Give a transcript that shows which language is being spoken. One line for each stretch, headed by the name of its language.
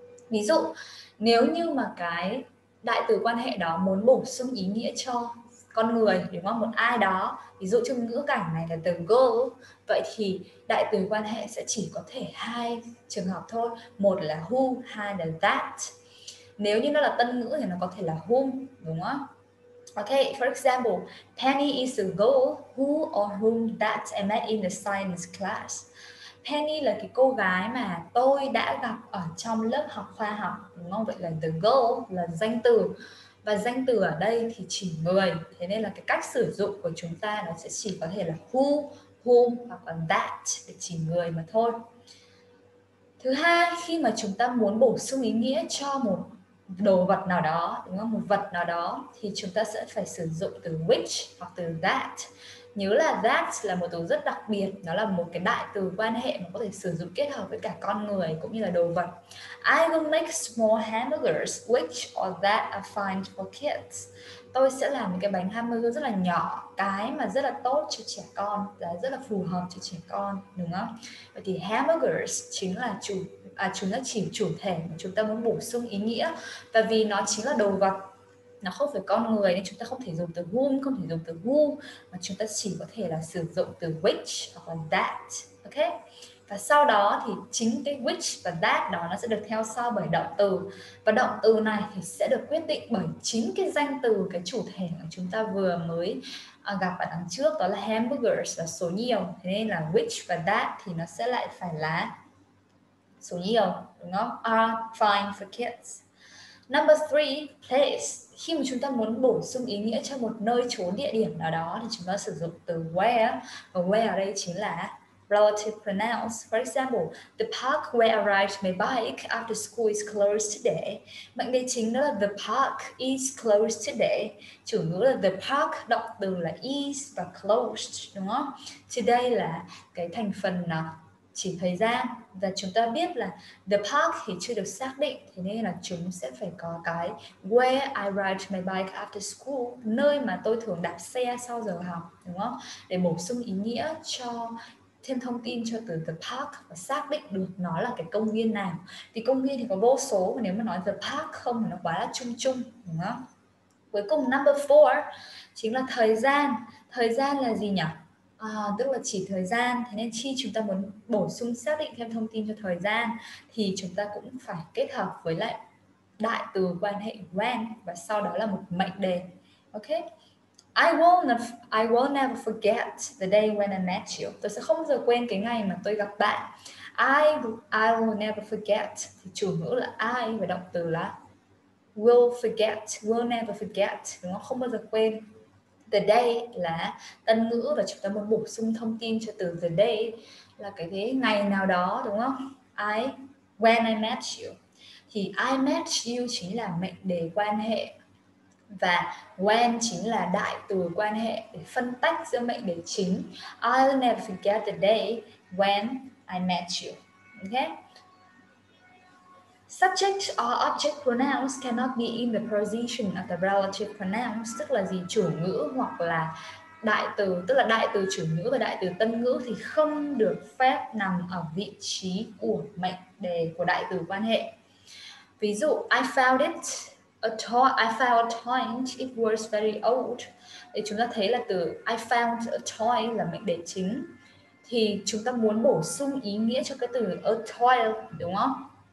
Vietnamese: Ví dụ, nếu như mà cái đại từ quan hệ đó muốn bổ sung ý nghĩa cho con người, đúng không? Một ai đó, ví dụ trong ngữ cảnh này là từ go, vậy thì đại từ quan hệ sẽ chỉ có thể hai trường hợp thôi. Một là who, hai là that. Nếu như nó là tân ngữ thì nó có thể là whom, đúng không?
English: Okay, for example, Penny is the girl who or whom that I met in the science class.
Vietnamese: Penny là cái cô gái mà tôi đã gặp ở trong lớp học khoa học, đúng không? Vậy là the girl là danh từ. Và danh từ ở đây thì chỉ người. Thế nên là cái cách sử dụng của chúng ta nó sẽ chỉ có thể là who, whom hoặc là that để chỉ người mà thôi. Thứ hai, khi mà chúng ta muốn bổ sung ý nghĩa cho một đồ vật nào đó, đúng không? Một vật nào đó thì chúng ta sẽ phải sử dụng từ which hoặc từ that. Nhớ là that là một từ rất đặc biệt, nó là một cái đại từ quan hệ mà có thể sử dụng kết hợp với cả con người cũng như là đồ vật. I will make small hamburgers, which or that are fine for kids. Tôi sẽ làm những cái bánh hamburger rất là nhỏ, cái mà rất là tốt cho trẻ con, rất là phù hợp cho trẻ con, đúng không? Vậy thì hamburgers chính là chủ thể mà chúng ta muốn bổ sung ý nghĩa. Và vì nó chính là đồ vật, nó không phải con người, nên chúng ta không thể dùng từ whom, không thể dùng từ who, mà chúng ta chỉ có thể là sử dụng từ which hoặc là that. Ok, và sau đó thì chính cái which và that đó nó sẽ được theo sau bởi động từ, và động từ này thì sẽ được quyết định bởi chính cái danh từ, cái chủ thể mà chúng ta vừa mới gặp ở đằng trước, đó là hamburgers là số nhiều. Thế nên là which và that thì nó sẽ lại phải là số nhiều, đúng không?
English: Are fine for kids. Number three, place.
Vietnamese: Khi mà chúng ta muốn bổ sung ý nghĩa cho một nơi, chốn, địa điểm nào đó thì chúng ta sử dụng từ where. Và where ở đây chính là relative pronouns.
English: For example, the park where I ride my bike after school is closed today.
Vietnamese: Mệnh đề chính đó là
English: the park is closed today.
Vietnamese: Chủ ngữ là the park, động từ là is và closed, đúng không? Today là cái thành phần nào? Chỉ thời gian. Và chúng ta biết là the park thì chưa được xác định, thế nên là chúng sẽ phải có cái
English: where I ride my bike after school,
Vietnamese: nơi mà tôi thường đạp xe sau giờ học, đúng không? Để bổ sung ý nghĩa cho thêm thông tin cho từ the park và xác định được nó là cái công viên nào. Thì công viên thì có vô số, mà nếu mà nói the park không thì nó quá là chung chung, đúng không? Cuối cùng, number four chính là thời gian. Thời gian là gì nhỉ? Tức là chỉ thời gian. Thế nên khi chúng ta muốn bổ sung, xác định thêm thông tin cho thời gian thì chúng ta cũng phải kết hợp với lại đại từ quan hệ when, và sau đó là một mệnh đề.
English: Ok, I will never forget the day when I met you.
Vietnamese: Tôi sẽ không bao giờ quên cái ngày mà tôi gặp bạn.
English: I will never forget
Vietnamese: thì chủ ngữ là I và động từ là will forget, will never forget, đúng không? Không bao giờ quên. The day là tân ngữ, và chúng ta muốn bổ sung thông tin cho từ the day là cái thế ngày nào đó, đúng không?
English: When I met you
Vietnamese: thì I met you chính là mệnh đề quan hệ, và when chính là đại từ quan hệ để phân tách giữa mệnh đề chính.
English: I'll never forget the day when I met you. Okay? Subject or object pronouns cannot be in the position of the relative pronouns.
Vietnamese: Tức là gì? Chủ ngữ hoặc là đại từ, tức là đại từ chủ ngữ và đại từ tân ngữ thì không được phép nằm ở vị trí của mệnh đề của đại từ quan hệ.
English: Ví dụ, I found a toy. It was very old.
Vietnamese: Thì chúng ta thấy là từ
English: I found a toy
Vietnamese: là mệnh đề chính, thì chúng ta muốn bổ sung ý nghĩa cho cái từ a toy, đúng không?